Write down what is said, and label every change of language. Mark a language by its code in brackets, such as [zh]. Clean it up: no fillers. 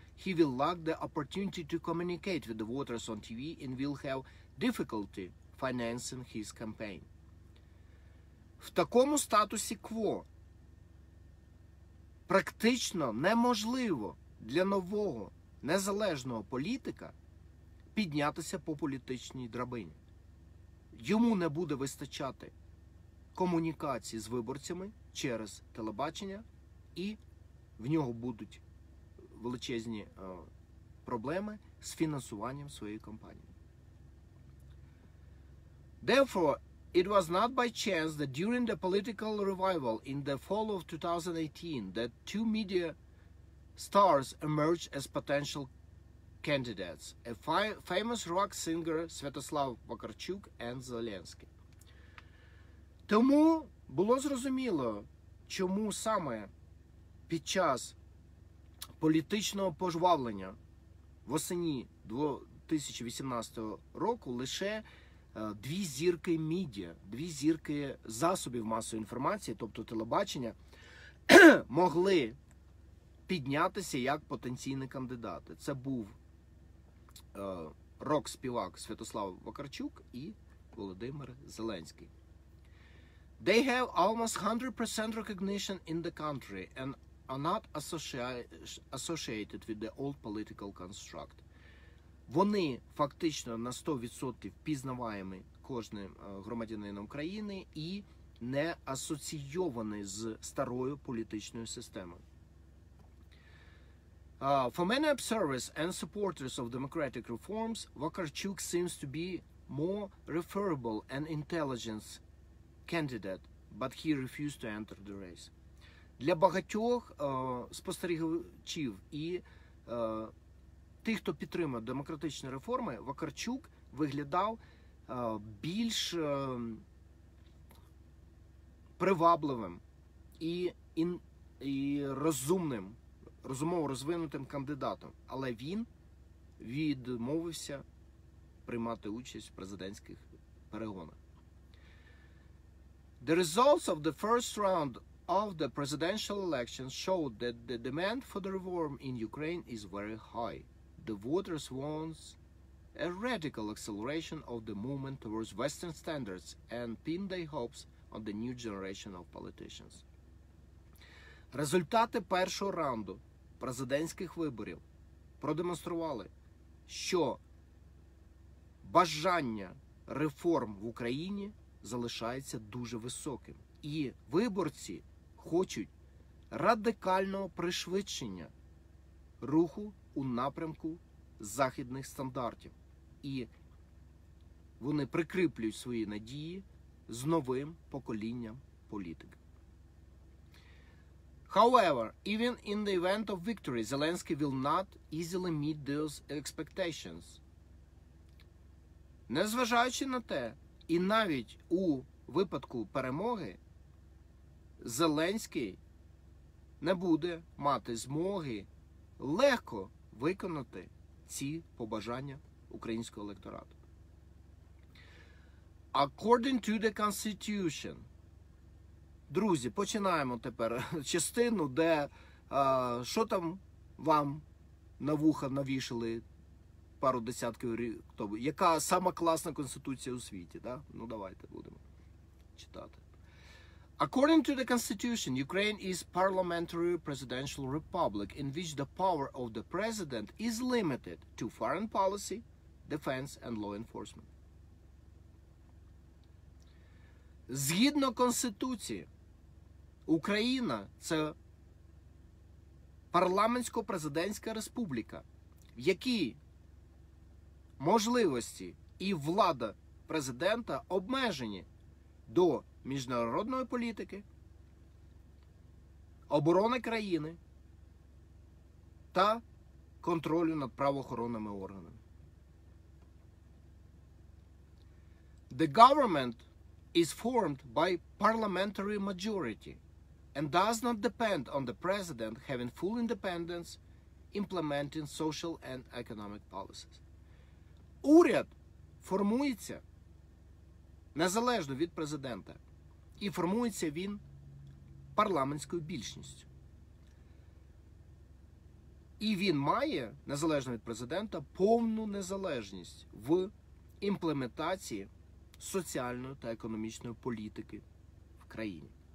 [en] He will lack the opportunity to communicate with the voters on TV and will have difficulty financing his campaign. [uk] В такому статусі quo практично неможливо для нового незалежного політика піднятися по політичній драбині. Йому не буде вистачати комунікації з виборцями через телебачення, і в нього будуть величезні проблеми з фінансуванням своєї кампанії. [en] Therefore, it was not by chance that during the political revival in the fall of 2018 that two media stars emerged as potential candidates, a famous rock singer Святослав Вакарчук and Зеленський. [uk] Тому було зрозуміло, чому саме під час політичного пожвавлення восени 2018 року лише дві зірки медіа, дві зірки засобів масової інформації, тобто телебачення, могли піднятися як потенційні кандидати. Це був рок-співак Святослав Вакарчук і Володимир Зеленський. [en] They have almost 100% recognition in the country and are not associated with the old political construct. [uk] Вони фактично на 100% пізнаваємі кожним громадянином країни і не асоційовані з старою політичною системою. [en] For many observers and supporters of democratic reforms, Вакарчук seems to be more referable and intelligent candidate, but he refused to enter the race. [uk] Для багатьох спостерігачів і тих, хто підтримує демократичні реформи, Вакарчук виглядав більш привабливим і розумним, розумово розвинутим кандидатом. Але він відмовився приймати участь в президентських перегонах. [en] The results of the first round of the presidential election showed that the demand for the reform in Ukraine is very high. The voters want a radical acceleration of the movement towards Western standards and pin their hopes on the new generation of politicians. [uk] Результати першого раунду президентських виборів продемонстрували, що бажання реформ в Україні залишається дуже високим. І виборці хочуть радикального пришвидшення руху у напрямку західних стандартів. І вони прикріплюють свої надії з новим поколінням політиків. [en] However, even in the event of victory, Zelensky will not easily meet those expectations. [uk] Незважаючи на те, і навіть у випадку перемоги, Зеленський не буде мати змоги легко виконати ці побажання українського електорату. [en] According to the Constitution, [uk] друзі, починаємо тепер частину, де що там вам на вуха навішали пару десятків рік тому, яка сама класна конституція у світі, да? Ну давайте будемо читати. [en] According to the Constitution, Ukraine is parliamentary presidential republic in which the power of the president is limited to foreign policy, defense and law enforcement. [uk] Згідно Конституції, Україна це парламентсько-президентська республіка, в якій можливості і влада президента обмежені до міжнародної політики, оборони країни та контролю над правоохоронними органами. [en] The government is formed by parliamentary majority and does not depend on the president having full independence implementing social and economic policies. [uk] Уряд формується незалежно від президента. І формується він парламентською більшістю. І він має, незалежно від президента, повну незалежність в імплементації соціальної та економічної політики в країні.